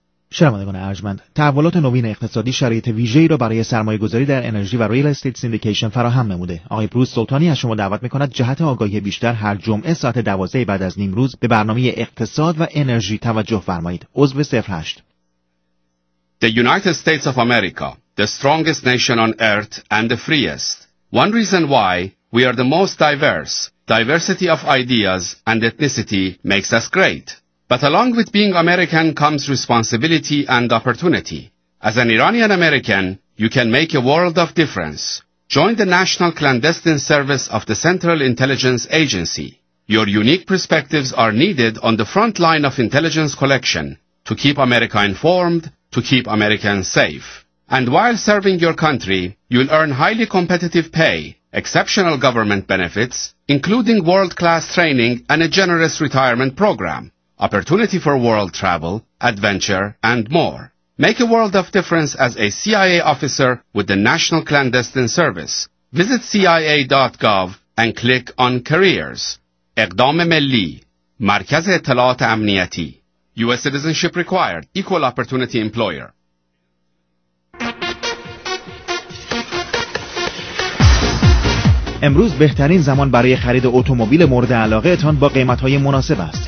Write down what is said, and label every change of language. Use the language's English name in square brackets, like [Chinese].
[Persian] شنوندگان ارجمند، تحولات نوین اقتصادی شرایط ویژه‌ای را برای سرمایه‌گذاری در انرژی و ریل استیت سیندیکیشن فراهم نموده. آقای بروس سلطانی از شما دعوت می‌کند جهت آگاهی بیشتر هر جمعه ساعت 12 بعد از نیمروز به برنامه اقتصاد و انرژی توجه فرمایید. عضو 08. [English] The United States of America, the strongest nation on earth and the freest. One reason why we are the most diverse. Diversity of ideas and ethnicity makes us great. But along with being American comes responsibility and opportunity. As an Iranian American, You can make a world of difference. Join the National Clandestine Service of the Central Intelligence Agency. Your unique perspectives are needed on the front line of intelligence collection to keep America informed, to keep Americans safe. And while serving your country, you'll earn highly competitive pay, exceptional government benefits, including world-class training and a generous retirement program, opportunity for world travel, adventure, and more. Make a world of difference as a CIA officer with the National Clandestine Service. Visit CIA.gov and click on Careers. [Persian] اقدام ملی مرکز اطلاعات امنیتی. [English] U.S. citizenship required. Equal opportunity employer. [Persian] امروز بهترین زمان برای خرید اتومبیل مورد علاقه تان با قیمت‌های مناسب است.